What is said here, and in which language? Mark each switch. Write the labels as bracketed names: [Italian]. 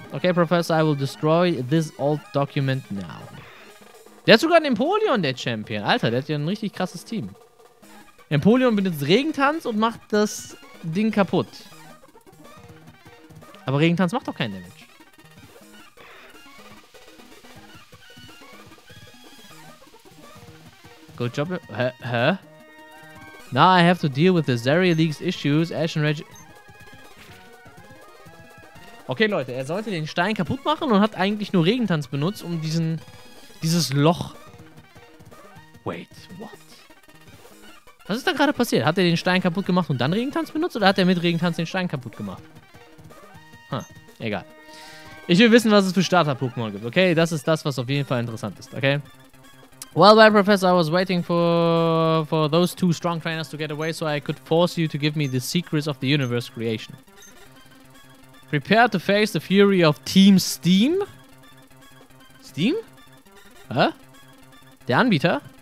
[English] Okay, Professor, I will destroy this old document now. [German] Der hat sogar einen Empoleon, der Champion. Alter, der hat ja ein richtig krasses Team. Empoleon benutzt Regentanz und macht das Ding kaputt. Aber Regentanz macht doch keinen Damage. [English] Good job. Now I have to deal with the Zeri League's issues. Ash and Reg. [German] Okay, Leute, er sollte den Stein kaputt machen und hat eigentlich nur Regentanz benutzt, um dieses Loch. [English] Wait, what? [German] Was ist da gerade passiert? Hat er den Stein kaputt gemacht und dann Regentanz benutzt oder hat er mit Regentanz den Stein kaputt gemacht? Egal. Ich will wissen, was es für Starter-Pokémon gibt, okay? Das ist das, was auf jeden Fall interessant ist, okay? [English] Well, my professor, I was waiting for those two strong trainers to get away so I could force you to give me the secrets of the universe creation. Prepare to face the fury of Team Steam? Steam? Huh? [German] Der Anbieter?